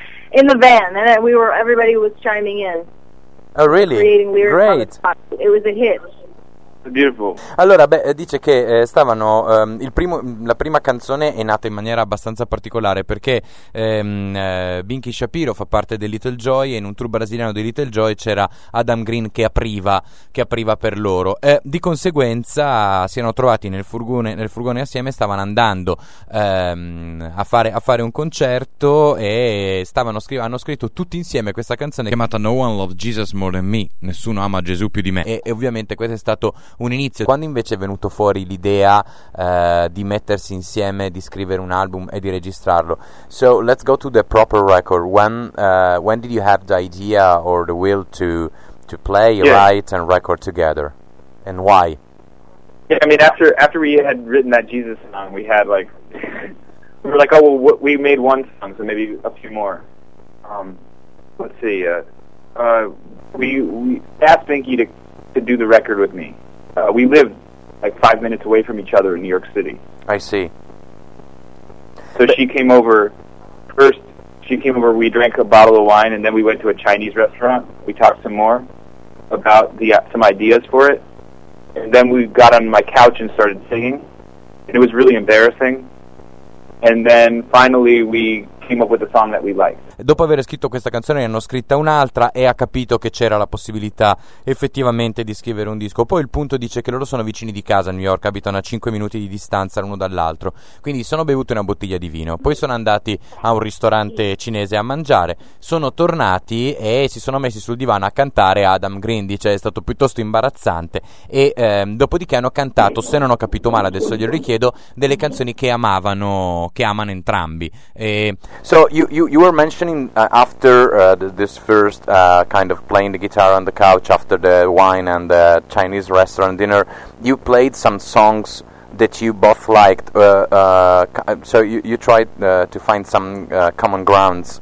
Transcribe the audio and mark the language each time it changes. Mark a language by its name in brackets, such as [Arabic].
[English] In the van, and we were, everybody was chiming in. Oh really? Creating lyrics. Great. It was a hit. Beautiful. [Italian] Allora, beh, dice che stavano la prima canzone è nata in maniera abbastanza particolare, perché Binky Shapiro fa parte del Little Joy e in un tour brasiliano di Little Joy c'era Adam Green che apriva per loro. Di conseguenza si erano trovati nel furgone assieme, stavano andando a fare un concerto e hanno scritto tutti insieme questa canzone chiamata No One Loves Jesus More Than Me, nessuno ama Gesù più di me. E ovviamente questo è stato un inizio. Quando invece è venuto fuori l'idea di mettersi insieme, di scrivere un album e di registrarlo? [English] So let's go to the proper record. When did you have the idea or the will to play, yeah, write and record together? And why? Yeah, I mean, after we had written that Jesus song, we had like we were like, oh well, we made one song, so maybe a few more. Let's see. We asked Binky to do the record with me. We live like 5 minutes away from each other in New York City. I see. So she came over first. She came over, we drank a bottle of wine, and then we went to a Chinese restaurant. We talked some more about some ideas for it. And then we got on my couch and started singing. And it was really embarrassing. And then finally we came up with a song that we liked. [Italian] Dopo aver scritto questa canzone ne hanno scritta un'altra e ha capito che c'era la possibilità effettivamente di scrivere un disco. Poi il punto dice che loro sono vicini di casa a New York, abitano a 5 minuti di distanza l'uno dall'altro, quindi sono bevuti una bottiglia di vino, poi sono andati a un ristorante cinese a mangiare, sono tornati e si sono messi sul divano a cantare Adam Green, cioè è stato piuttosto imbarazzante. E dopodiché hanno cantato, se non ho capito male, adesso glielo richiedo, delle canzoni che amano entrambi. E [English] so you were mentioning after this first kind of playing the guitar on the couch after the wine and the Chinese restaurant dinner, you played some songs that you both liked. So you tried to find some common grounds.